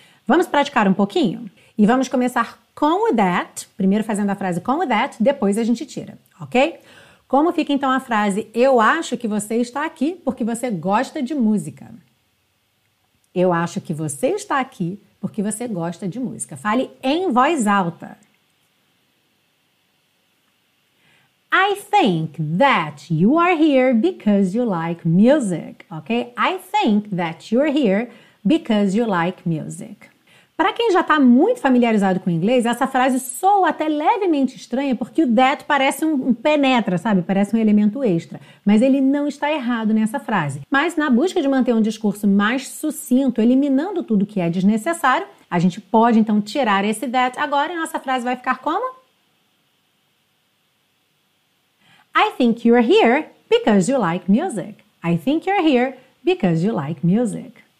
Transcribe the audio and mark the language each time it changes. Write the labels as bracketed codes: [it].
[pt] Vamos praticar um pouquinho? E vamos começar com o that, primeiro fazendo a frase com o that, depois a gente tira, ok? Como fica então a frase, eu acho que você está aqui porque você gosta de música? Eu acho que você está aqui porque você gosta de música. Fale em voz alta. [en] I think that you are here because you like music, ok? I think that you're here because you like music. [pt] Para quem já está muito familiarizado com o inglês, essa frase soa até levemente estranha porque o that parece um penetra, sabe? Parece um elemento extra. Mas ele não está errado nessa frase. Mas na busca de manter um discurso mais sucinto, eliminando tudo que é desnecessário, a gente pode então tirar esse that agora e nossa frase vai ficar como? [en] I think you're here because you like music. I think you're here because you like music.